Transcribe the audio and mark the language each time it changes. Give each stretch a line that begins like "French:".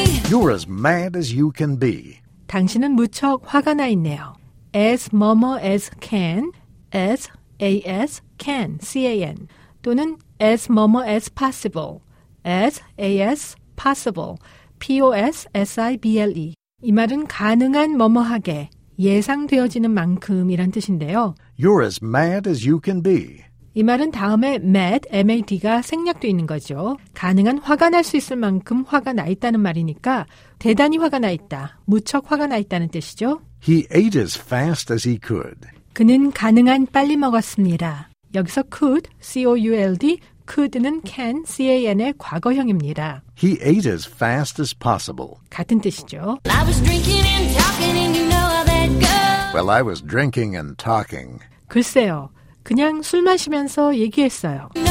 English: You're as mad as you can be.
Korean: 당신은 무척 화가 나 있네요.
English: As mama as can, as as can, can,
Korean: 또는
English: as mama as possible, as as possible, possible.
Korean: 이 말은 가능한 뭐뭐하게, 예상되어지는 만큼이란 뜻인데요.
English: You're as mad as you can be.
Korean: 이 말은 다음에 mad, mad가 생략되어 있는 거죠. 가능한 화가 날 수 있을 만큼 화가 나 있다는 말이니까 대단히 화가 나 있다, 무척 화가 나 있다는 뜻이죠.
English: He ate as fast as he could.
Korean: 그는 가능한 빨리 먹었습니다. 여기서 could, C-O-U-L-D, could는 can, C-A-N의 과거형입니다.
English: He ate as fast as possible.
Korean: 같은 뜻이죠.
English: I was drinking and talking and you know how that goes. Well, I was drinking and talking.
Korean: 글쎄요. 그냥 술 마시면서 얘기했어요.